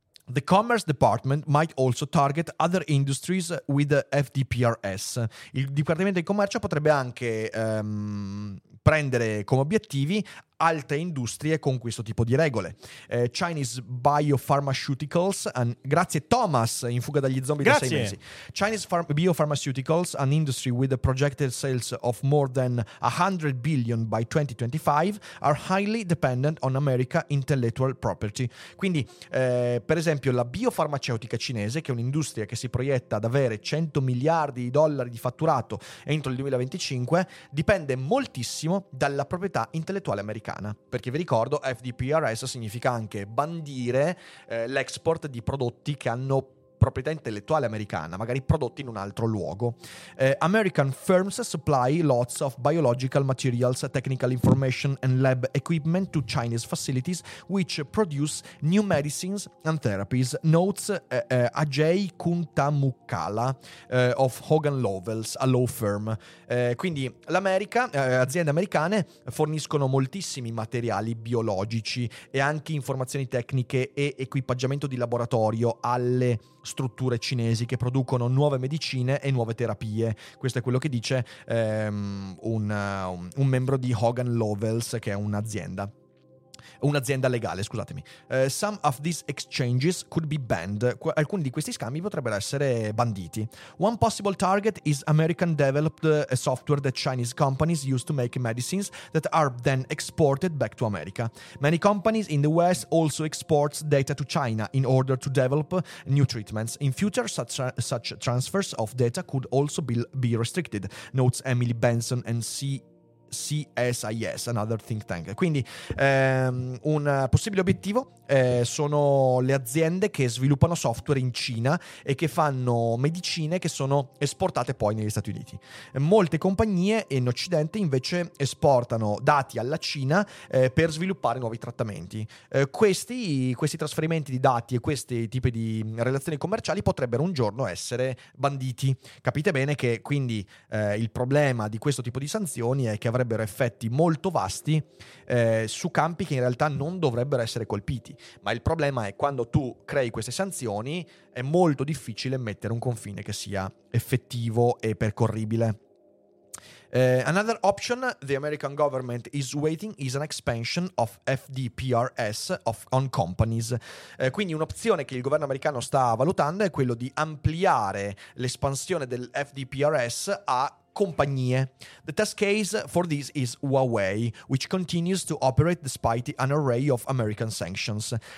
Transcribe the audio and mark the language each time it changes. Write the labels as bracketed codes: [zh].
[en] The Commerce Department might also target other industries with FDPRS. [it] Il Dipartimento di Commercio potrebbe anche prendere come obiettivi altre industrie con questo tipo di regole. [en] Chinese biopharmaceuticals, [it] grazie Thomas, in fuga dagli zombie da 6 mesi. [en] Chinese biopharmaceuticals, an industry with a projected sales of more than $100 billion by 2025, are highly dependent on America intellectual property. [it] Quindi, per esempio, la biofarmaceutica cinese, che è un'industria che si proietta ad avere 100 miliardi di dollari di fatturato entro il 2025, dipende moltissimo dalla proprietà intellettuale americana. Perché vi ricordo, FDPRS significa anche bandire l'export di prodotti che hanno proprietà intellettuale americana, magari prodotti in un altro luogo. [en] American firms supply lots of biological materials, technical information and lab equipment to Chinese facilities which produce new medicines and therapies, notes Ajay Kuntamukkala of Hogan Lovells, a law firm. [it] Quindi l'America, aziende americane forniscono moltissimi materiali biologici e anche informazioni tecniche e equipaggiamento di laboratorio alle strutture cinesi che producono nuove medicine e nuove terapie. Questo è quello che dice un membro di Hogan Lovells, che è un'azienda legale, scusatemi. [en] Some of these exchanges could be banned. [it] Alcuni di questi scambi potrebbero essere banditi. [en] One possible target is American developed software that Chinese companies use to make medicines that are then exported back to America. Many companies in the West also export data to China in order to develop new treatments. In future, such transfers of data could also be restricted, notes Emily Benson and C. CSIS, another think tank. [it] Quindi un possibile obiettivo sono le aziende che sviluppano software in Cina e che fanno medicine che sono esportate poi negli Stati Uniti. Molte compagnie in Occidente invece esportano dati alla Cina per sviluppare nuovi trattamenti. Questi trasferimenti di dati e questi tipi di relazioni commerciali potrebbero un giorno essere banditi. Capite bene che quindi il problema di questo tipo di sanzioni è che avrebbero effetti molto vasti su campi che in realtà non dovrebbero essere colpiti. Ma il problema è quando tu crei queste sanzioni è molto difficile mettere un confine che sia effettivo e percorribile. [en] Another option the American government is waiting is an expansion of FDPRS on companies. [it] Quindi un'opzione che il governo americano sta valutando è quello di ampliare l'espansione del FDPRS a compagnie. [en] The test case for this is Huawei, which continues to operate despite an array of American sanctions.